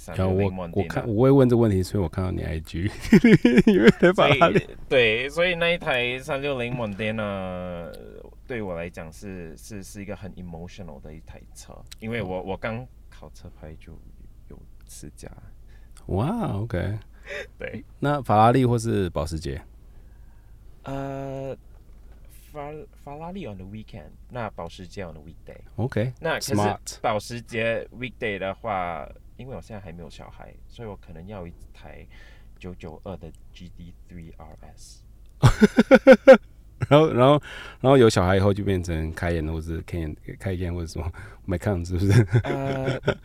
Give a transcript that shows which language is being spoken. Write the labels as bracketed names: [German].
[Chinese] 我会问这问题，所以我看到你 IG 有台法拉利，对，所以那一台360 Mondena 对我来讲 是一个很 emotional 的一台车，因为 我刚考车牌就有试驾。 [English] 哇、wow, OK [Chinese] 对，那法拉利或是保时捷？法拉利 on the weekend，那保时捷 on the weekday。 [English] OK， [Chinese] 那可是 [English] smart。 [Chinese] 保时捷 weekday 的话，因为我现在还没有小孩，所以我可能要一台992的 GT3 RS。然后有小孩以后就变成凯宴，或是凯宴，或者什么 Macan， 是不是？